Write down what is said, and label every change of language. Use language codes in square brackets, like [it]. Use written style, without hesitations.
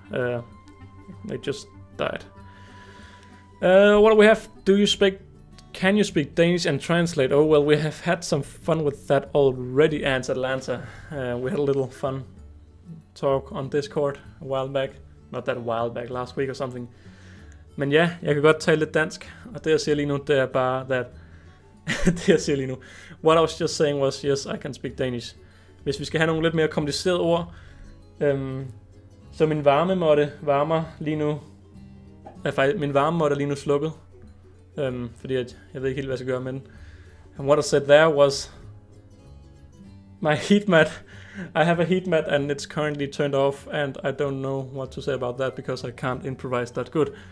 [en] They just died. What do we have? Can you speak Danish and translate? Oh well, we have had some fun with that already, Ants Atlanta. We had a little fun talk on Discord a while back. Not that while back, last week or something. [da] Men ja, jeg kan godt tale lidt dansk, og det jeg siger lige nu, det er bare, at det jeg siger lige nu. [en] What I was just saying was, yes, I can speak Danish. [da] Hvis vi skal have nogle lidt mere komplicerede ord, så min varmemåtte varmer lige nu. Min varmemåtte er lige nu slukket, fordi jeg ved ikke helt, hvad jeg skal gøre med den. [en] And what I said there was, my heat mat. I have a heat mat and it's currently turned off, and I don't know what to say about that because I can't improvise that good.